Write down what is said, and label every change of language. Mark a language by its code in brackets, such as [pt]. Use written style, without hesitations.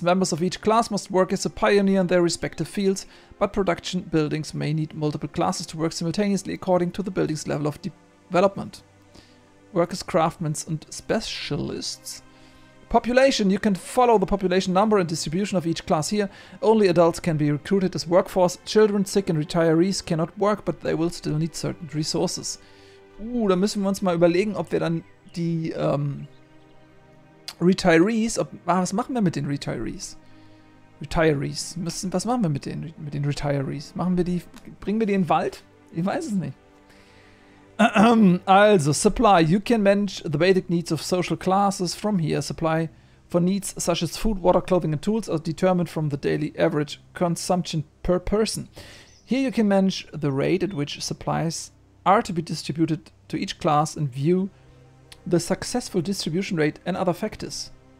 [en] Members of each class must work as a pioneer in their respective fields, but production buildings may need multiple classes to work simultaneously according to the building's level of development. Workers, craftsmen and specialists. Population. You can follow the population number and distribution of each class here. Only adults can be recruited as workforce. Children, sick and retirees cannot work, but they will still need certain resources. [de] Da müssen wir uns mal überlegen, ob wir dann die Retirees, was machen wir mit den Retirees? Retirees, was machen wir mit den Retirees? Machen wir die, bringen wir die in den Wald? Ich weiß es nicht. Also, Supply. [en] You can manage the basic needs of social classes from here. Supply for needs such as food, water, clothing and tools are determined from the daily average consumption per person. Here you can manage the rate at which supplies are to be distributed to each class and view the successful distribution rate and other factors.